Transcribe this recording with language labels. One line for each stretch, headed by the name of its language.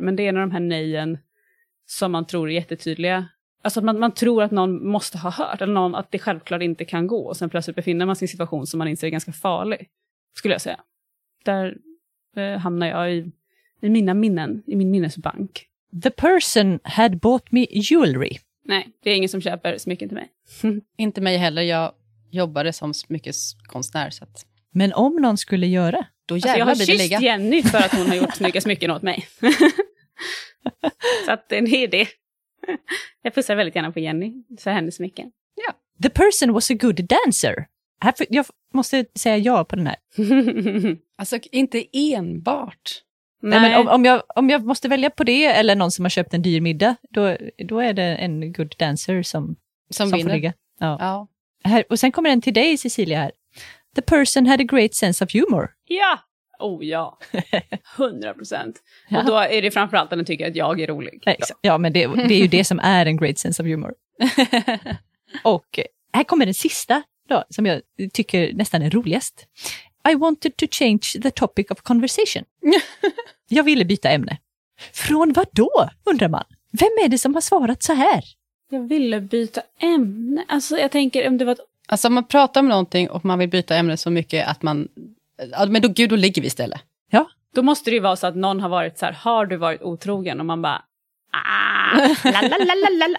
Swedish: Men det är en av de här nejen som man tror är jättetydliga. Alltså att man tror att någon måste ha hört, eller någon, att det självklart inte kan gå. Och sen plötsligt befinner man sig i en situation som man inser är ganska farlig, skulle jag säga. Där hamnar jag i mina minnen, i min minnesbank.
English: The person had bought me jewelry.
Swedish: Nej, det är ingen som köper smycken till mig. Inte mig heller, jag jobbade som smyckeskonstnär. Så att... Men om någon skulle göra... Då alltså jag har kysst ligga. Jenny för att hon har gjort snygga smycken åt mig. Så att det är det. Jag pussar väldigt gärna på Jenny. Så händer smycken. Ja.
English: The person was a good dancer.
Swedish: Jag måste säga ja på den här. Alltså inte enbart. Nej. Nej, men om jag måste välja på det eller någon som har köpt en dyr middag, då är det en
English: good dancer
Swedish: som vinner. Får ligga. Ja. Ja. Här, och sen kommer den till dig, Cecilia, här.
English: The person had a great sense of humor.
Swedish: Ja, oh ja. 100%. Ja. Och då är det framförallt att den tycker att jag är rolig. Ja, men det är ju det som är en
English: great sense of humor.
Swedish: Och här kommer den sista då, som jag tycker nästan är roligast.
English: I wanted to change the topic of conversation.
Swedish: Jag ville byta ämne. Från vad då, undrar man. Vem är det som har svarat så här? Jag ville byta ämne. Alltså jag tänker om det var... Alltså man pratar om någonting och man vill byta ämne så mycket att man... Men då, gud, då ligger vi istället. Ja. Då måste det ju vara så att någon har varit så här, har du varit otrogen? Och man bara, lalalalalala.